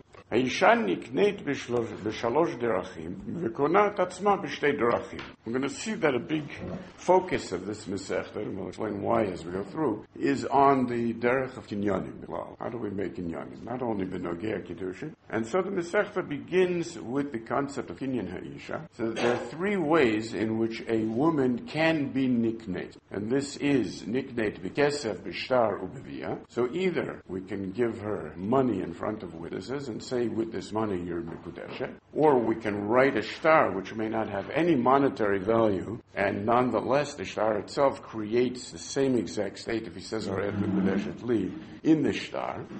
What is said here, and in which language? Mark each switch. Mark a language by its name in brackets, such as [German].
[Hebrew] האישה נקנית בשלוש דרכים וקונה את עצמה בשתי דרכים. [English] We're going to see that a big focus of this מסכת, and we'll explain why as we go through, is on the דרך of קניונים. Well, how do we make קניונים? Not only [Hebrew] בנוגעי הקידושים. [English] And so the מסכת begins with the concept of קניין האישה. So there are three ways in which a woman can be נקנית. And this is [Hebrew] נקנית בכסף, בשטר ובביאה. [English] So either we can give her money in front of witnesses and say, with this money you're mekudeshet, or we can write a shtar which may not have any monetary value, and nonetheless the shtar itself creates the same exact state if he says [Hebrew] oret mekudeshet li [English] in the shtar,